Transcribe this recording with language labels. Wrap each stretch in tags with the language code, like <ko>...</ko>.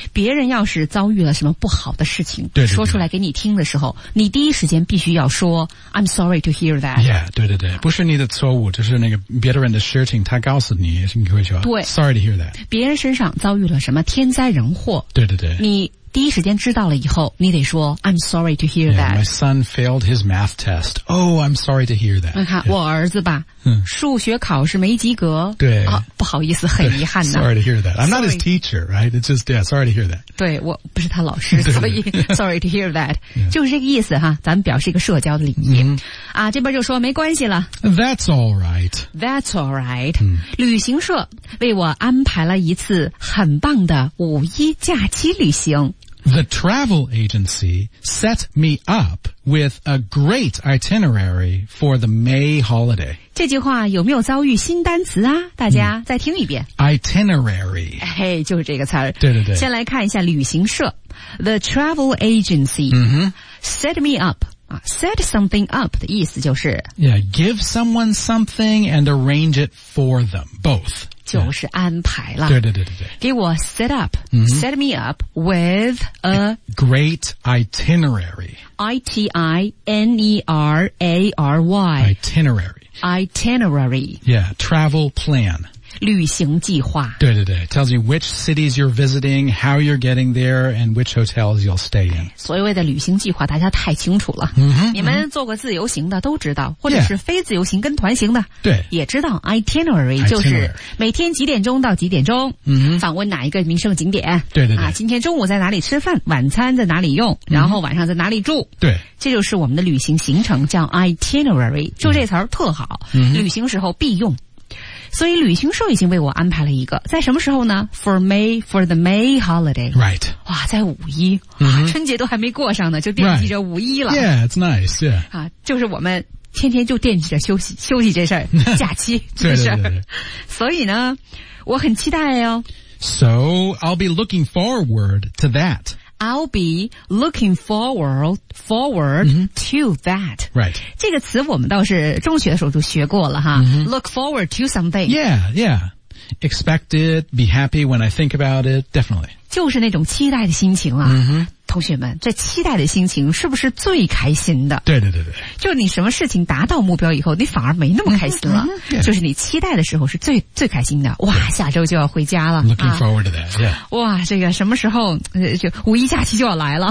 <zh>别人要是遭遇了什么不好的事情，对对对说出来给你听的时候，你第一时间必须要说</zh> <en>I'm sorry to hear that.</en> <zh>Yeah, 对对对，不是你的错误，就是那个别人的事情，他告诉你，你会说对</zh> <en>，Sorry to hear that.</en> <zh>别人身上遭遇了什么天灾人祸，对对对，你。第一时间知道了以后你得说</zh> <en>I'm sorry to hear that yeah, My son failed his math test Oh, I'm sorry to hear that</en> <zh>你看、</zh> <en>yeah.</en> <zh>我儿子吧、嗯、数学考试没及格对、啊、不好意思很遗憾呢</zh> <en>Sorry to hear that I'm not his teacher, right? It's just, yeah, sorry to hear that</en> <zh>对我不是他老师所以</zh> <en>sorry to hear that</en> <zh>就是这个意思哈咱们表示一个社交的礼仪、嗯、啊，这边就说没关系了</zh> <en>That's alright That's alright、嗯、</en> <zh>旅行社为我安排了一次很棒的五一假期旅行</zh> <en>The travel agency set me up with a great itinerary for the May holiday.</en> <zh>这句话有没有遭遇新单词啊？大家再听一遍。嗯、</zh> <en>itinerary.</en> <zh>嘿，就是这个词儿。对对对。先来看一下旅行社。</zh> <en>The travel agency、嗯、 set me up. Set something up</en> <zh>的意思就是</zh> <en>Yeah, give someone something and arrange it for them, both.</en> <zh>就是安排了。对对对对对。给我 set up,、 mm-hmm.</zh> <en>set me up with a great itinerary. I-T-I-N-E-R-A-R-Y. Itinerary. Itinerary. Yeah, travel plan.</en> <zh>旅行计划。对对对</zh> <en>,tells you which cities you're visiting, how you're getting there, and which hotels you'll stay in.</en> <zh>所谓的旅行计划大家太清楚了。 Mm-hmm, 你们做过自由行的都知道或者是非自由行跟团行的。对、yeah.。也知道</zh> <en>itinerary,</en> <zh>就是每天几点钟到几点钟、 mm-hmm. 访问哪一个名胜景点。对对对。啊今天中午在哪里吃饭晚餐在哪里用然后晚上在哪里住。 Mm-hmm. 对。这就是我们的旅行行程叫</zh> <en>itinerary,</en> <zh>就这词儿特好、 mm-hmm. 旅行时候必用。所以旅行社已经为我安排了一个在什么时候呢</zh> <en>for May for the May holiday right</en> <zh>哇在五一、 mm-hmm. 春节都还没过上呢就惦记着五一了、</zh> <en>right. yeah it's nice yeah、</en> <zh>啊、就是我们天天就惦记着休息休息这事儿，假期这事儿。所以呢，我很期待哦。</zh> <en>So I'll be looking forward to that. I'll be looking forward、mm-hmm. to that. Right.</en> <zh>这个词我们倒是中学的时候就学过了哈。</zh> <en>Mm-hmm. Look forward to something. Yeah, yeah. Expect it, be happy when I think about it, definitely.</en> <zh>就是那种期待的心情啊。 Mm-hmm. 同学们，这期待的心情是不是最开心的？对对对对，就你什么事情达到目标以后，你反而没那么开心了。</zh> <en>Mm-hmm. Yeah.</en> <zh>就是你期待的时候是最开心的。哇， yeah. 下周就要回家了。</zh> <en>Looking forward to that.、Yeah.</en> <zh>哇，这个什么时候就五一假期就要来了？</zh>